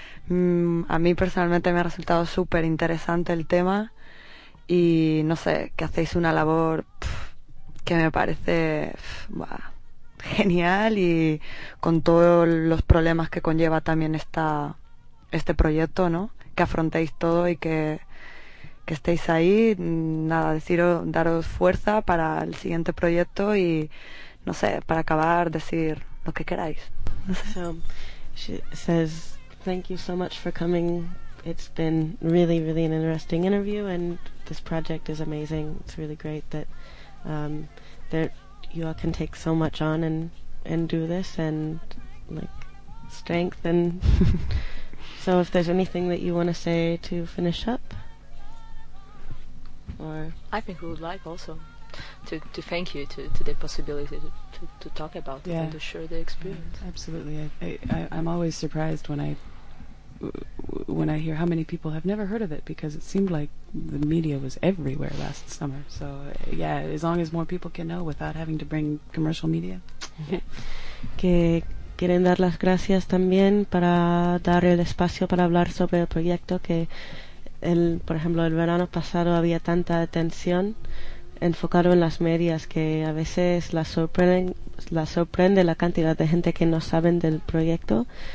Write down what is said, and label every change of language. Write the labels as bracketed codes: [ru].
[es] A mí personalmente me ha resultado súper interesante el tema y no sé, que hacéis una labor que me parece genial, y con todos los problemas que conlleva también este proyecto, ¿no? Que afrontéis todo y que estéis ahí, nada, daros fuerza para el siguiente proyecto y, no sé, para acabar, decir lo que queráis. No sé. [en] So, she says, thank you so much for coming. It's been really, really an interesting interview, and this project is amazing. It's really great that that you all can take so much on and do this, and like strength. And so if there's anything that you want to say to finish up, or I think we would like also to thank you to the possibility to talk about it and to share the experience. Yeah, absolutely. I'm always surprised when I hear how many people have never heard of it, because it seemed like the media was everywhere last summer. So yeah, as long as more people can know without having to bring commercial media. [es] Que quieren dar las gracias también para dar el espacio para hablar sobre el proyecto, que el, por ejemplo, el verano pasado había tanta atención enfocado en las medias que a veces la sorprende la cantidad de gente que no saben del proyecto.